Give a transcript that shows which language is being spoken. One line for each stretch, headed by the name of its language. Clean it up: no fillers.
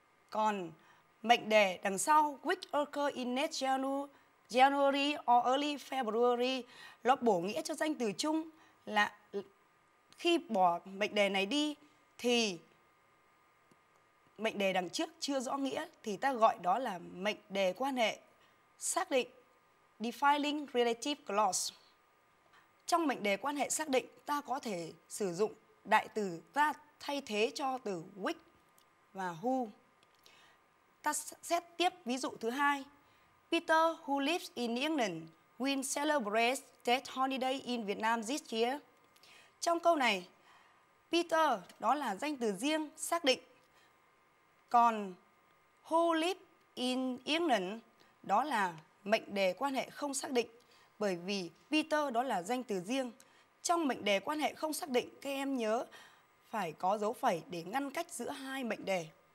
Vietnamese: Còn mệnh đề đằng sau,
English: which occur in late January or early February,
Vietnamese: nó bổ nghĩa cho danh từ chung là khi bỏ mệnh đề này đi thì mệnh đề đằng trước chưa rõ nghĩa thì ta gọi đó là mệnh đề quan hệ xác định, defining relative clause. Trong mệnh đề quan hệ xác định, ta có thể sử dụng đại từ that thay thế cho từ which và who. Ta xét tiếp ví dụ thứ hai.
English: Peter, who lives in England, will celebrate Tết holiday in Vietnam this year.
Vietnamese: Trong câu này, Peter đó là danh từ riêng xác định. Còn
English: who live in England
Vietnamese: đó là mệnh đề quan hệ không xác định, bởi vì Peter đó là danh từ riêng. Trong mệnh đề quan hệ không xác định, các em nhớ phải có dấu phẩy để ngăn cách giữa hai mệnh đề.